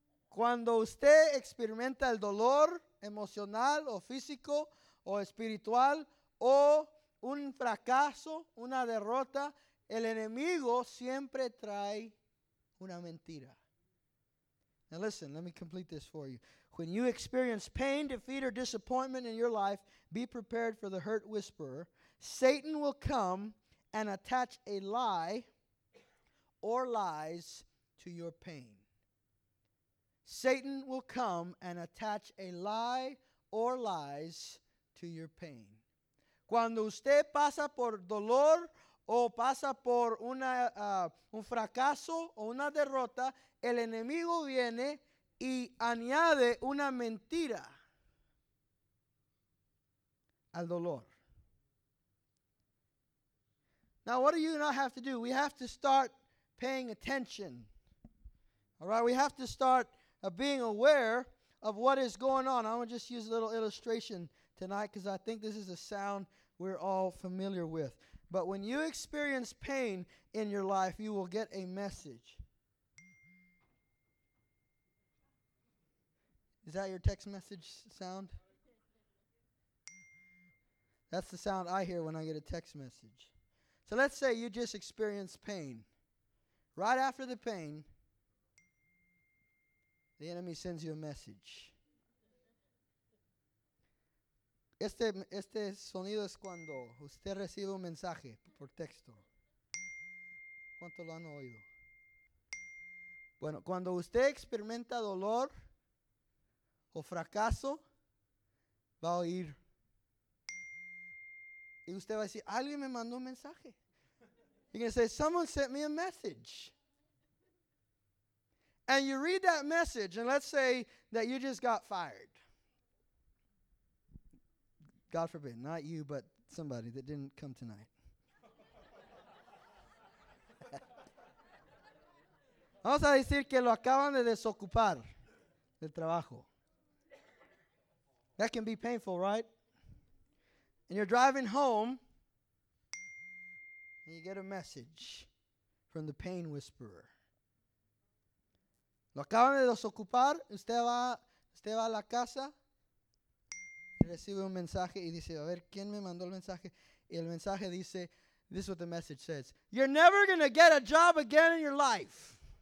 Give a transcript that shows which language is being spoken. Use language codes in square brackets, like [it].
[es] Cuando usted experimenta el dolor emocional o físico o espiritual o un fracaso, una derrota, el enemigo siempre trae una mentira. [en] Now listen, let me complete this for you. When you experience pain, defeat, or disappointment in your life, be prepared for the hurt whisperer. Satan will come and attach a lie or lies to your pain. Satan will come and attach a lie or lies to your pain. [es] Cuando usted pasa por dolor o pasa por un fracaso o una derrota, el enemigo viene y añade una mentira al dolor. [en] Now, what do you and I have to do? We have to start paying attention. All right, we have to start being aware of what is going on. I want to just use a little illustration tonight because I think this is a sound we're all familiar with. But when you experience pain in your life, you will get a message. Is that your text message sound? That's the sound I hear when I get a text message. So let's say you just experienced pain. Right after the pain, the enemy sends you a message. [es] Este sonido es cuando usted recibe un mensaje por texto. ¿Cuánto lo han oído? Bueno, cuando usted experimenta dolor o fracaso, va a oír. Y usted va a decir, alguien me mandó un mensaje. [en] You're going to say, someone sent me a message. And you read that message, and let's say that you just got fired. God forbid, not you, but somebody that didn't come tonight. [es] Vamos a decir que lo acaban de desocupar del trabajo. [en] That can be painful, right? And you're driving home, and you get a message from the pain whisperer. [es] Lo acaban de desocupar, usted va a la casa, recibe un mensaje y dice, a ver, ¿quién me mandó el mensaje? Y el mensaje dice, [en] this is what the message says, you're never going to get a job again in your life.